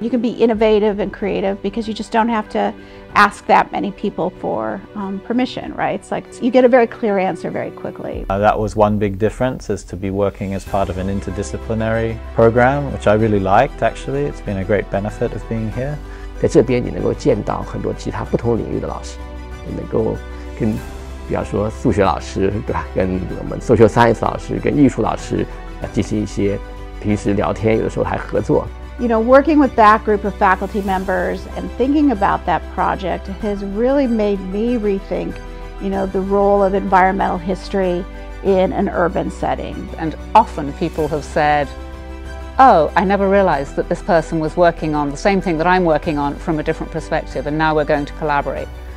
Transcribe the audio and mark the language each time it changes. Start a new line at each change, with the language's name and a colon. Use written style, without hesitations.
English: You can be innovative and creative because you just don't have to ask that many people for permission, right? It's like you get a very clear answer very quickly. That was one big difference, is to be working as part of an interdisciplinary program, which I really liked, actually. It's been a great benefit of being here.
Chinese: 在这边你能够见到很多其他不同领域的老师，你能够跟比方说数学老师，对吧，跟我们 social science 老师，跟艺术老师进行一些平时聊天，有的时候还合作。
English: You know, working with that group of faculty members and thinking about that project has really made me rethink, you know, the role of environmental history in an urban setting. And often people have said, oh, I never realized that this person was working on the same thing that I'm working on from a different perspective, and now we're going to collaborate.